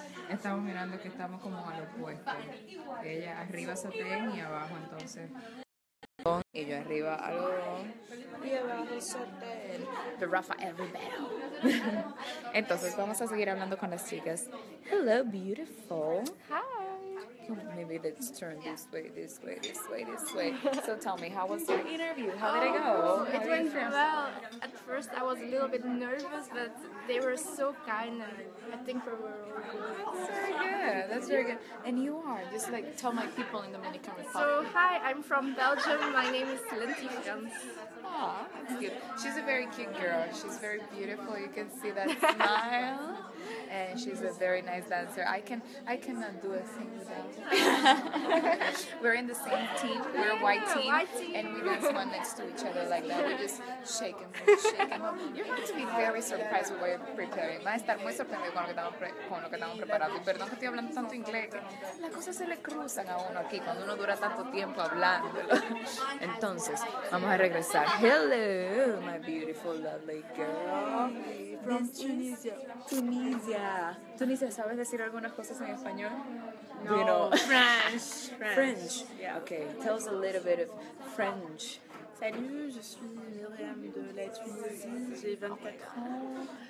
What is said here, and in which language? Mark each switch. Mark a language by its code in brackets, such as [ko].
[es] Estamos mirando que estamos como al opuesto. Ella arriba satén y abajo entonces. Y yo arriba algodón. Y abajo satén. [en] The Rafael Rivero. [es] Entonces vamos a seguir hablando con las chicas. [en] Hello, beautiful. Hi. Maybe let's turn this way, this way, this way, this way. So tell me, how was your interview? How did it go? It went well. At first I was a little bit nervous, but they were so kind and I think we were really good. Yeah, that's very good. And you are? Just like tell my people in Dominican Republic. So hi, I'm from Belgium. My name is Lindsay Jones. Aw, that's cute. She's a very cute girl. She's very beautiful. You can see that smile. And she's a very nice dancer. I cannot do a thing without her. We're in the same team. We're a white team. And we dance one next to each other like that. We just shake and move. You're going to be very surprised with what you're preparing. [es] Va a estar muy sorprendido con lo que estamos preparando. Perdón que estoy hablando tanto inglés. Las cosas se le cruzan a uno aquí cuando uno dura tanto tiempo hablándolo. Entonces, vamos a regresar. [en] Hello, my beautiful, lovely girl. From Tunisia. [es] Tunisia, ¿sabes decir algunas cosas en español? [en] No. You know. French. Yeah. Okay, tell us a little bit of French. [fr] Salut, je suis Myriam de la Tunisie, j'ai 24 ans.